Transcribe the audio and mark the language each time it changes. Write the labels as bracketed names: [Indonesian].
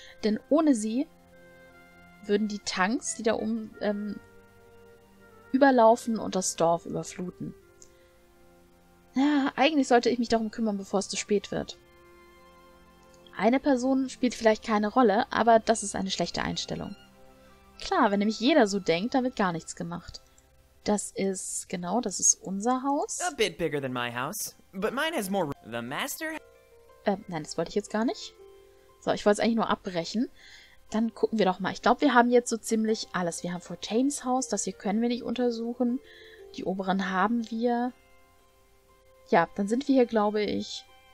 [German] Denn ohne sie würden die Tanks, die da oben überlaufen und das Dorf überfluten. Ja, eigentlich sollte ich mich darum kümmern, bevor es zu spät wird. Eine Person spielt vielleicht keine Rolle, aber das ist eine schlechte Einstellung. Klar, wenn nämlich jeder so denkt, dann wird gar nichts gemacht. Das ist unser Haus. [English] A bit bigger than my house, but mine has more room. The master... [German] Nein, das wollte ich jetzt gar nicht. So, ich wollte es eigentlich nur abbrechen. Dann gucken wir doch mal. Ich glaube, wir haben jetzt so ziemlich alles. Wir haben Fortames Haus, das hier können wir nicht untersuchen. Die oberen haben wir... Ja, dann sind wir hier, glaube ich.